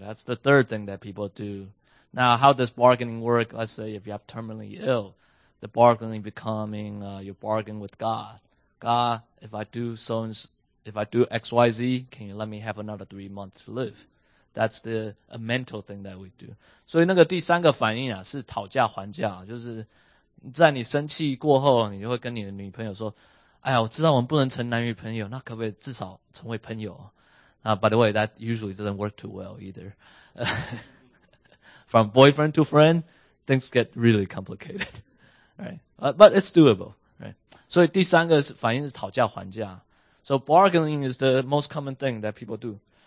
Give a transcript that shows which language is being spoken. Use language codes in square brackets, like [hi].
[en] That's the third thing that people do. Now, how does bargaining work? Let's say if you have terminally ill, the bargaining becoming you're bargaining with God. God, if I do so and so, if I do XYZ, can you let me have another 3 months to live? That's the a mental thing that we do. [zh] 所以那个第三个反应啊，是讨价还价，就是在你生气过后，你就会跟你的女朋友说：“哎呀，我知道我们不能成男女朋友，那可不可以至少成为朋友？” [en] By the way, that usually doesn't work too well either. From boyfriend to friend, things get really complicated, right? But it's doable, right? [zh] 所以第三个反应是讨价还价。 [en] So bargaining is the most common thing that people do.